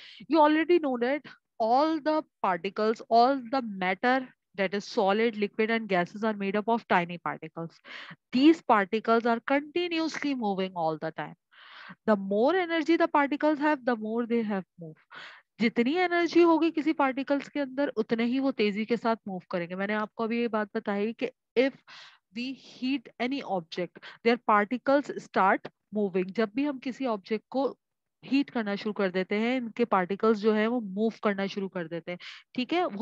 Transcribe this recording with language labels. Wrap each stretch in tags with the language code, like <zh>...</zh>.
<en>You already know that all the particles, all the matter that is solid liquid and gases are made up of tiny particles. These particles are continuously moving all the time. The more energy the particles have, the more they have move.</en> <hi>जितनी energy होगी किसी particles के अंदर उतने ही वो तेजी के साथ मूव करेंगे. मैंने आपको अभी ये बात बताई कि</hi> <en>if we heat any object, their particles start moving.</en> <hi>जब भी हम किसी ऑब्जेक्ट को हीट करना शुरू कर देते हैं इनके पार्टिकल्स जो है वो मूव करना शुरू कर देते हैं, ठीक है.</hi>